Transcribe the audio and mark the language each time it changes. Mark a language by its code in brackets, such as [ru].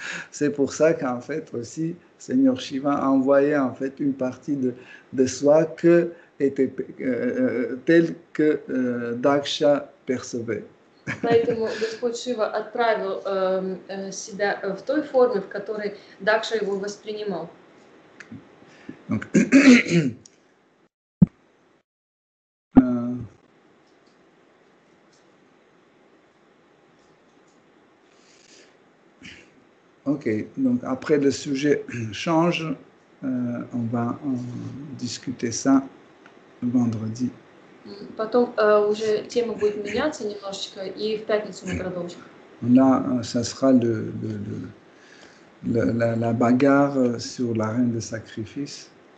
[fr] C'est pour ça qu'en fait aussi, Seigneur Shiva envoyait en fait une partie de soi que était telle que Daksha percevait. [ru] Поэтому Господь Шива отправил себя в той форме, в которой Дакша его воспринимал. [fr] Ok, donc après le sujet change, on va en discuter ça vendredi. [ru] Потом уже тема будет меняться немножечко, и в пятницу мы продолжим. [fr] Là, ça sera la bagarre sur la reine de sacrifice.